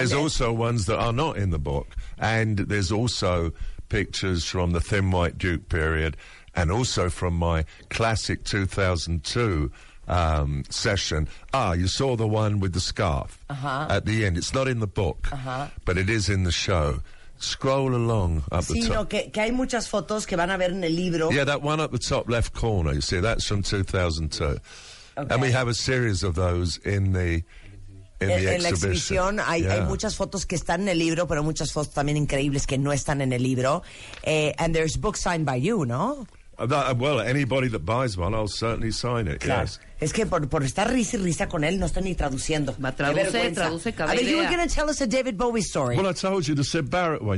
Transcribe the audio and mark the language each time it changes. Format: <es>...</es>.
<en>There's also ones that are not in the book, and there's also pictures from the Thin White Duke period, and also from my classic 2002... session. You saw the one with the scarf at the end. It's not in the book, but it is in the show. Scroll along up the top.</en> <es>Sí, que hay muchas fotos que van a ver en el libro.</es> <en>Yeah, that one up the top left corner, you see, that's from 2002. Okay. And we have a series of those in the exhibition.</en> <es>En la exhibición hay muchas fotos que están en el libro, pero muchas fotos también increíbles que no están en el libro.</es> <en>And there's books signed by you, ¿no? Well, anybody that buys one, I'll certainly sign it,</en> <es>claro.</es> <en>Yes.</en> <es>Es que por estar risa y risa con él, no está ni traduciendo. Me traduce, traduce cada idea.</es> <en>You were going to tell us a David Bowie story. Well, I told you the Syd Barrett one.</en>